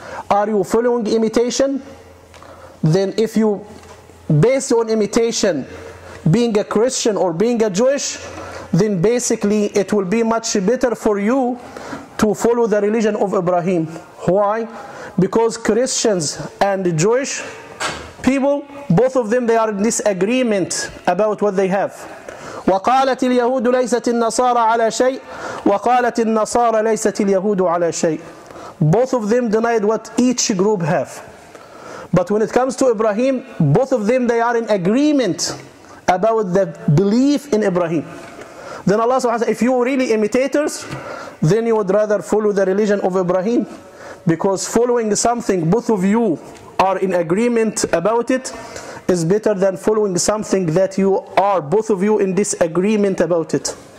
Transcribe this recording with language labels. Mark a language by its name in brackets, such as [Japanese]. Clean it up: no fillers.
[English] Are you following imitation? Then if you base on imitation, being a Christian or being a Jewish, then basically it will be much better for you to follow the religion of Ibrahim. Why? Because Christians and Jewish people, both of them, they are in disagreement about what they have. [Arabic] وقالت اليهود ليست النصارى على شيء وقالت النصارى ليست اليهود على شيء. [English] Both of them denied what each group have. But when it comes to Ibrahim, both of them, they are in agreement about the belief in Ibrahim. Then Allah subhanahu wa ta'ala, if you were really imitators, then you would rather follow the religion of Ibrahim. Because following something both of you are in agreement about it is better than following something that you are both of you in disagreement about it.